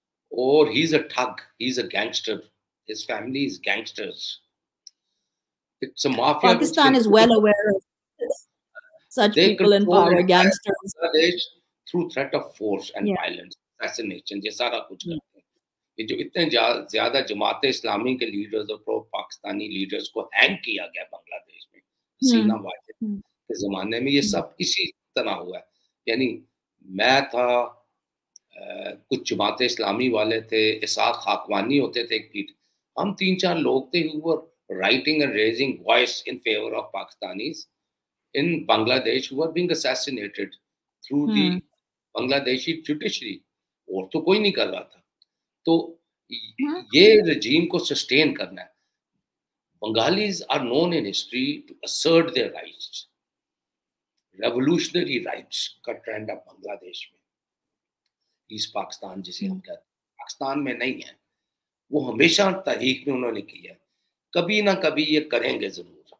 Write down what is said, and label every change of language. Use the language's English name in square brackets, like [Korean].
[English] Or he's a thug, he's a gangster, his family is gangsters, it's a mafia. Pakistan is well aware of such people in power, gangsters, through threat of force and violence, assassination, [Urdu] ye sara kuch karte hain. یہ جو اتنے زیادہ جماعت اسلامی کے leaders اور پرو Pakistani leaders کو hang کیا گیا بنگلہ دیش میں حسینہ واجد کے زمانے میں, یہ سب اسی طرح ہوا ہے. یعنی میں تھا, کچھ جماعت اسلامی والے تھے, اسحاق خاقوانی ہوتے تھے ایک پیٹ, ہم تین چار لوگ تھے [English] who were writing and raising voice in favor of Pakistanis in Bangladesh who were being assassinated through the Bangladeshi judiciary. [Urdu] اور تو کوئی نہیں کر رہا تھا. تو یہ رجیم کو سسٹین کرنا ہے. [English] Bengalis are known in history to assert their rights, [Urdu] revolutionary rights کا ٹرینڈ اب بنگلہ دیش میں, ایسٹ پاکستان جسے ہم کہتے ہیں, پاکستان میں نہیں ہے, وہ ہمیشہ تاریخ میں انہوں نے کیا, کبھی نہ کبھی یہ کریں گے ضرور,